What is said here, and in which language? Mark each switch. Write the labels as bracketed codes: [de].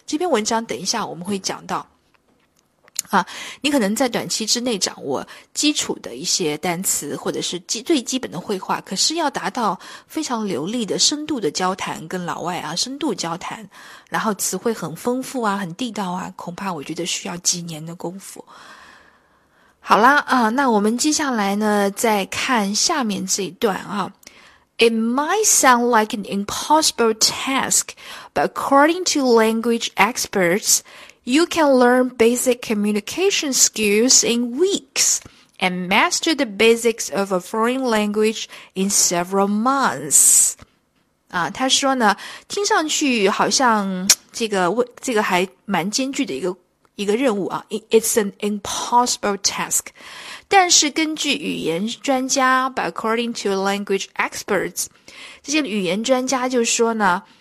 [zh] 这篇文章等一下我们会讲到啊，你可能在短期之内掌握基础的一些单词或者是最基本的会话，可是要达到非常流利的深度的交谈，跟老外啊深度交谈，然后词汇很丰富啊很地道啊，恐怕我觉得需要几年的功夫。好啦啊，那我们接下来呢再看下面这一段啊。 [en] It might sound like an impossible task, but according to language expertsYou can learn basic communication skills in weeks and master the basics of a foreign language in several months. [zh] 啊，他说呢，听上去好像这个还蛮艰巨的一个任务啊。 [en] It's an impossible task. [zh] 但是根据语言专家 , [en] by according to language experts, [zh] 这些语言专家就说呢，